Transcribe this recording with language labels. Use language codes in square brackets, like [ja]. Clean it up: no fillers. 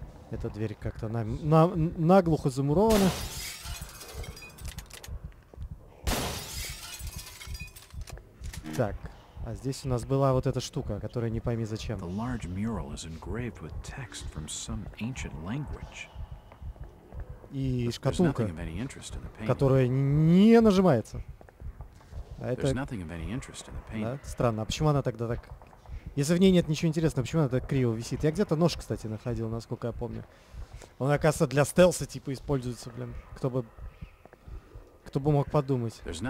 [ru] Эта дверь как-то наглухо замурована. Так, а здесь у нас была вот эта штука, которая не пойми зачем. [en] The large mural is engraved with text from some ancient language. [ru] И шкатулка, которая не нажимается. А это... Да? Странно, а почему она тогда так... Если в ней нет ничего интересного, почему она так криво висит? Я где-то нож, кстати, находил, насколько я помню. Он, оказывается, для стелса, типа, используется, блин. Кто бы мог подумать.